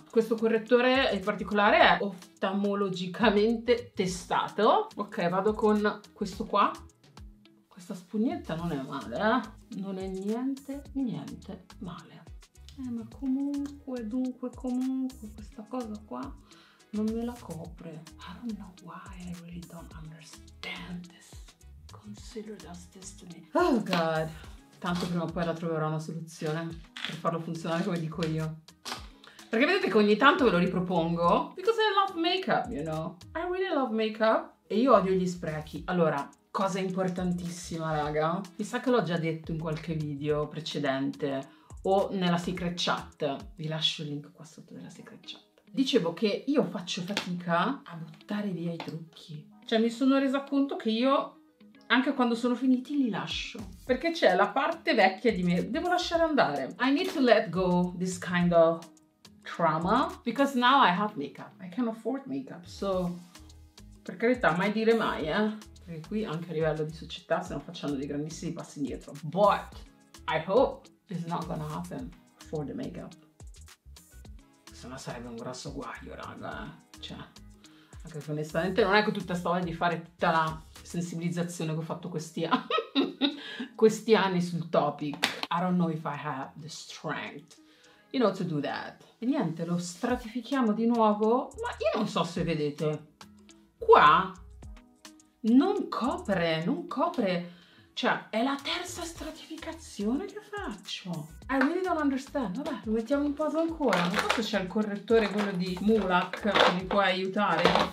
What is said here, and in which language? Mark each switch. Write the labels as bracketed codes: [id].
[it] Questo correttore in particolare è oftalmologicamente testato. Ok, vado con questo qua. Questa spugnetta non è male, eh? Non è niente, niente male. Ma comunque, dunque, comunque, questa cosa qua non me la copre. [en] I don't know why, I really don't understand this. Consider that this to me. Oh God. [it] Tanto prima o poi la troverò una soluzione per farlo funzionare come dico io. Perché vedete che ogni tanto ve lo ripropongo? [en] Because I love makeup, you know? I really love makeup. [it] E io odio gli sprechi. Allora, cosa importantissima, raga. Mi sa che l'ho già detto in qualche video precedente o nella secret chat. Vi lascio il link qua sotto della secret chat. Dicevo che io faccio fatica a buttare via i trucchi. Cioè, mi sono resa conto che io... anche quando sono finiti li lascio. Perché c'è la parte vecchia di me. Devo lasciare andare. [en] I need to let go this kind of trauma. Because now I have makeup. I can afford makeup. So, [it] per carità, mai dire mai, eh. Perché qui anche a livello di società stiamo facendo dei grandissimi passi indietro. [en] But I hope it's not gonna happen for the makeup. [it] Se no sarebbe un grosso guaio, raga. Cioè, anche se onestamente non è con tutta storia di fare tutta la... sensibilizzazione che ho fatto questi anni sul topic. [en] I don't know if I have the strength, you know, to do that. [it] E niente, lo stratifichiamo di nuovo, ma io non so se vedete qua, non copre, cioè è la terza stratificazione che faccio. [en] I really don't understand. [it] Vabbè, lo mettiamo un po' ancora. Non so se c'è il correttore, quello di Mulac, che mi può aiutare.